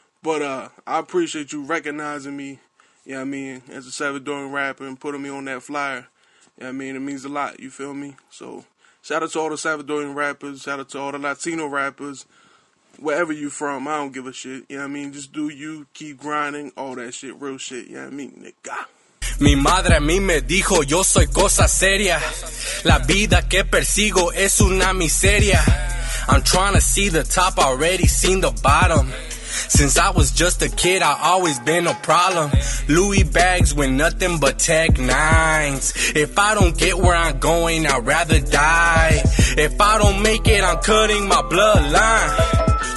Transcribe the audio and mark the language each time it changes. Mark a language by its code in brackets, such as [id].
[en] But I appreciate you recognizing me, you know what I mean, as a Salvadorian rapper and putting me on that flyer. You know what I mean? It means a lot, you feel me? So shout out to all the Salvadorian rappers, shout out to all the Latino rappers, wherever you from, I don't give a shit, you know what I mean? Just do you, keep grinding, all that shit, real shit, you know what I mean, nigga? [es] Mi madre a mí me dijo, yo soy cosa seria. La vida que persigo es una miseria. [en] I'm trying to see the top, already seen the bottom. Since I was just a kid, I always been a problem. Louis bags with nothing but Tech Nines. If I don't get where I'm going, I'd rather die. If I don't make it, I'm cutting my bloodline.